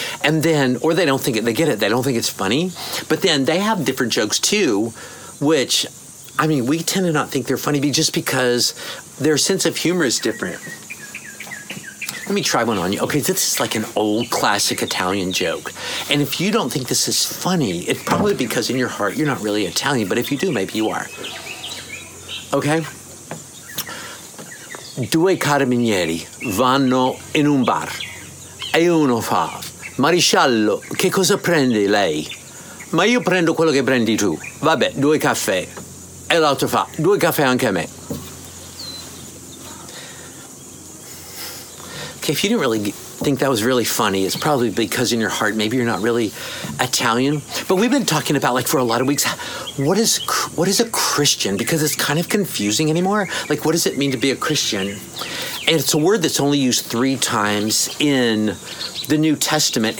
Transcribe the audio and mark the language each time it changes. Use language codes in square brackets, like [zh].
[en] And then, or they don't think it, they get it. They don't think it's funny. But then they have different jokes too, which, I mean, we tend to not think they're funny just because their sense of humor is different. Let me try one on you. Okay, this is like an old classic Italian joke. And if you don't think this is funny, it's probably because in your heart you're not really Italian. But if you do, maybe you are. Okay? [it] Due carabinieri vanno in un bar. E uno fa, Marisciallo, che cosa prende lei? Ma io prendo quello che prendi tu. Vabbè, due caffè. E l'altro fa, due caffè anche a me. [en] If you didn't really think that was really funny, it's probably because in your heart, maybe you're not really Italian. But we've been talking about, like, for a lot of weeks, what is a Christian? Because it's kind of confusing anymore. Like, what does it mean to be a Christian? And it's a word that's only used three times in the New Testament.